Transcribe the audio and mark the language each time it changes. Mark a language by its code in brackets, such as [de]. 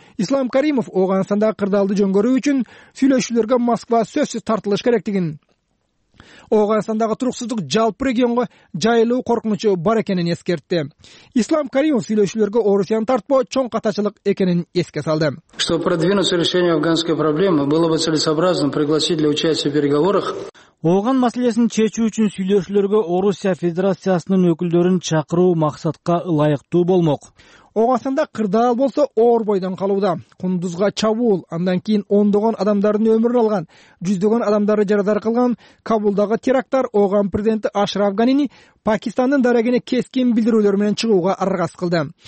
[ky] Ислам Каримов Ооганстандагы кырдаалды жөнгөрүү үчүн сүйлөшүүлөргө Москва сөзсүз тартылыш керектигин, Ооганстандагы туруксуздук жалпы регионго жайылуу коркунучу бар экенин эскертти. Ислам Каримов сүйлөшүүлөргө Орусияны тартпоо чоң катачылык экенин эске салды. [ru] Чтобы продвинуть решение афганской проблемы, было бы целесообразно пригласить для участия в переговорах. [ky] Ооган маселесин чечүү үчүн сүйлөшүүлөргө Орусия Федерациясынын өкүлдөрүн чакыруу максатка ылайыктуу болмок. Ооганстанда кырдаал болсо оор бойдон калууда. Кундузга чабуул, андан кийин ондогон адамдардын өмүрүн алган, жүздөгөн адамдарды жарадар кылган Кабулдагы терактар Ооган президенти Ашраф Ганини Пакистандын дарегине кескин билдирүүлөр менен чыгууга аргасыз кылды.